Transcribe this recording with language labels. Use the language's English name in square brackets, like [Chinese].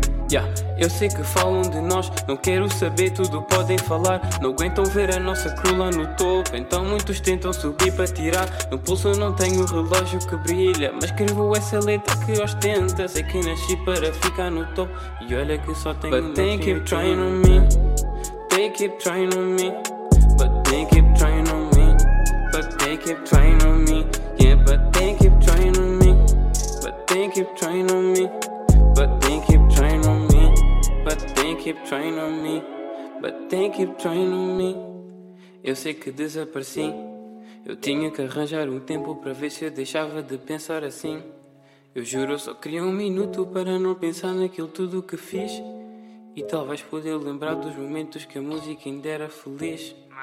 [Portuguese] Yeah. Eu sei que falam de nós, não quero saber, tudo podem falar. Não aguentam ver a nossa crew lá no topo, então muitos tentam subir para tirar. No pulso eu não tenho relógio que brilha, mas escrevo essa letra que ostenta. Sei que nasci para ficar no topo e olha que só tenho. [English] But they keep trying on me. They keep trying on me. But they keep trying on me. But they keep trying on me. Yeah, but they keep trying on me. But they keep trying on me. But they keep trying on me. But they keep trying on me. But they keep trying on me. [Portuguese] Eu sei que desapareci. Eu tinha que arranjar um tempo para ver se eu deixava de pensar assim. Eu juro, eu só queria um minuto para não pensar naquilo tudo que fiz. E talvez poder lembrar dos momentos que a música ainda era feliz.